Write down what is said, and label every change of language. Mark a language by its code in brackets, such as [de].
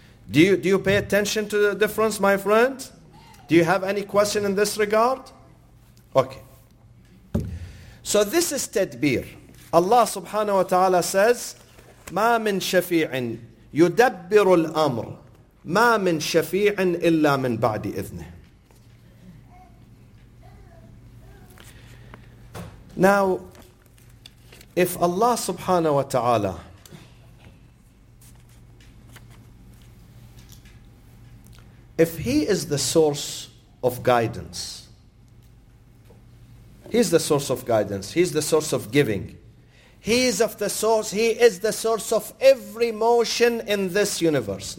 [en] Do you pay attention to the difference, my friend? Do you have any question in this regard? Okay. So this is Tadbir. Allah subhanahu wa ta'ala says, [ar] مَا مِن شَفِيعٍ يُدَبِّرُ الْأَمْرُ ما من شفيع إلا من بعد إذنه. [en] Now, if Allah subhanahu wa ta'ala if He is the source of guidance, He's the source of guidance, He's the source of giving, He is the source of every motion in this universe.